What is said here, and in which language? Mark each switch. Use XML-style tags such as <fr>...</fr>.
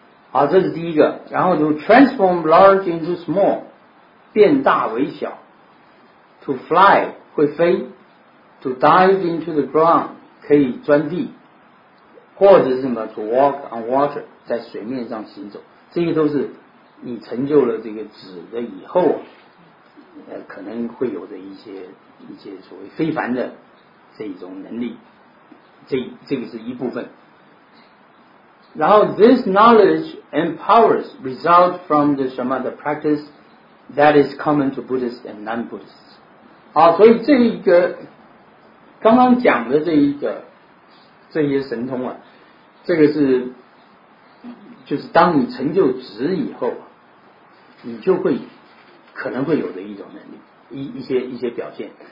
<zh>好，这是第一个，然后就</zh> <en>transform large into small，</en> <zh>变大为小 ，</zh> <en>to fly</en> <zh>会飞 ，</zh> <en>to dive into the ground</en> <zh>可以钻地，或者是什么</zh> <en>to walk on water</en> <zh>在水面上行走，这些都是你成就了这个子的以后。可能会有的一些所谓非凡的这一种能力，这个是一部分。然后</zh> <en>this knowledge and powers result from the Shamatha practice that is common to Buddhists and non-Buddhists。</en> <zh>好，所以这一个刚刚讲的这些神通啊，这个是就是当你成就止以后，你就会可能会有的一种能力，一些表现。</zh>